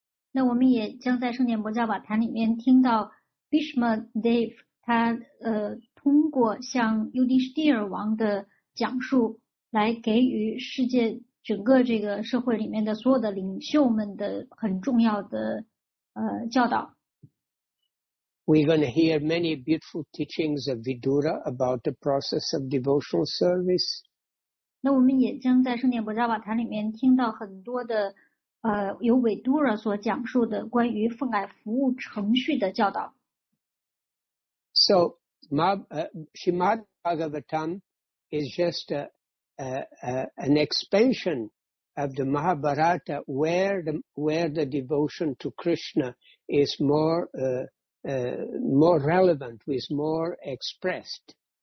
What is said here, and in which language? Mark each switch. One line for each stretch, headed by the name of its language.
Chinese: 那我们也将在圣典薄伽瓦坛里面听到 Bhishma Deva 他通过向 Yudhisthira 王的讲述来给予世界整个这个社会里面的所有的领袖们的很重要的教导。
English: We're going to hear many beautiful teachings of Vidura about the process of devotional service.
Chinese: 那我们也将在圣典薄伽瓦坛里面听到很多的由维杜拉所讲述的关于奉爱服务程序的教导。
English: So, Srimad Bhagavatam is just an expansion of the Mahabharata where the devotion to Krishna is more relevant, is more expressed.